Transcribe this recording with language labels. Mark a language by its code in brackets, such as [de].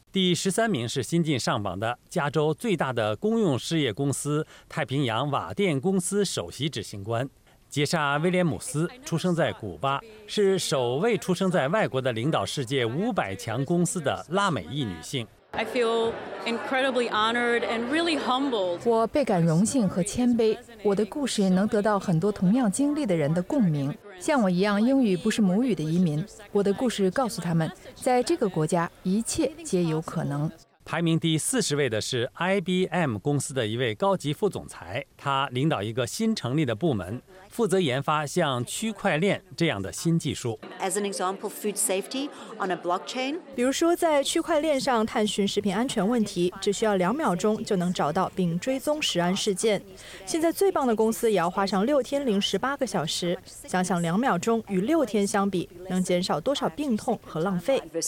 [zh] 第13名是新近上榜的加州最大的公用事业公司太平洋瓦电公司首席执行官杰莎·威廉姆斯，出生在古巴，是首位出生在外国的领导世界500强公司的拉美裔女性。 [en] I feel incredibly honored and really humbled. [zh] 我倍感荣幸和谦卑，我的故事能得到很多同样经历的人的共鸣。像我一样英语不是母语的移民，我的故事告诉他们，在这个国家一切皆有可能。排名第40位的是 IBM 公司的一位高级副总裁，他领导一个新成立的部门，负责研发像区块链这样的新技术。 [en] As an example, food safety on a blockchain. [zh] 比如说在区块链上探寻食品安全问题，只需要2秒钟就能找到并追踪食安事件。现在最棒的公司也要花上6天零18个小时，想想2秒钟与6天相比，能减少多少病痛和浪费。